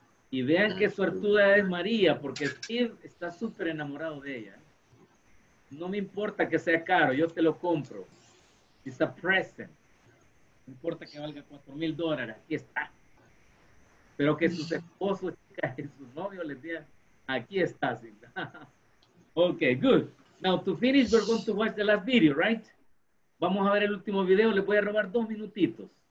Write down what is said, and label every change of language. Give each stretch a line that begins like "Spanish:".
Spanish: Y vean qué suertuda es María, porque Steve está súper enamorado de ella. No me importa que sea caro, yo te lo compro.
English: It's a present.
Spanish: No importa que valga $4,000, aquí está. Pero que sus esposos y sus novios les digan, aquí está.
English: Okay, good. Now, to finish, we're going to watch the last video, right?
Spanish: Vamos a ver el último video, les voy a robar 2 minutitos.